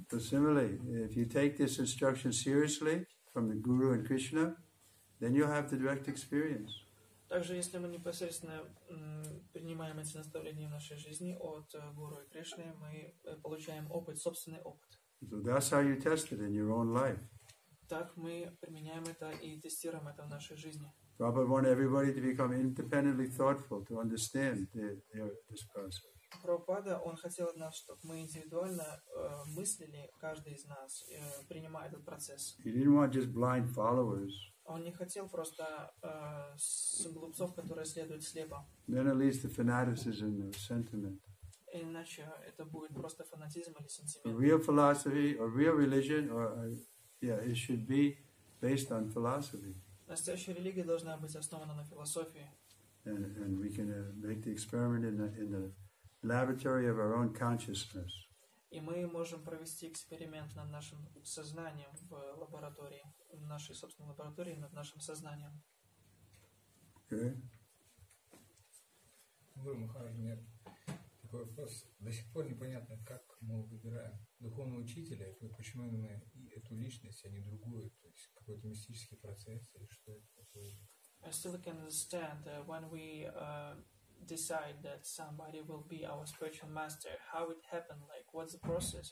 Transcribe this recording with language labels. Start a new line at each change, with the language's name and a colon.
English: So similarly, if you take this instruction seriously from the Guru and Krishna, then you'll have the direct experience.
Russian: Также, если мы непосредственно принимаем эти наставления в нашей жизни от Гуру и Кришны, мы получаем опыт, собственный опыт.
English: So that's how you test it in your own life.
Russian: Так мы применяем это и тестируем это в нашей жизни.
English: Prabhupada wants everybody to become independently thoughtful, to understand this process.
Russian: Прабхупада, он хотел от нас, чтобы мы индивидуально мыслили, каждый из нас, принимая этот процесс.
English: He didn't want just blind followers.
Russian: Он не хотел просто глупцов, которые следуют слепо.
English: Then at least the fanaticism or sentiment.
Russian: Иначе это будет просто фанатизм или сентимент.
English: A real philosophy or real religion it should be based on philosophy.
Russian: Настоящая религия должна быть основана на философии.
English: And we can make the experiment in the laboratory of our own consciousness.
Russian: И мы можем провести эксперимент над нашим сознанием в лаборатории, в нашей собственной лаборатории над нашим сознанием.
English: Okay.
Russian: Гуру Махарадж, у меня такой вопрос. До сих пор непонятно, как мы выбираем духовного учителя, и почему именно эту личность, а не другую, то есть какой-то мистический процесс или что это такое.
English: still can understand when we decide that somebody will be our spiritual master, how it happened, like what's the process?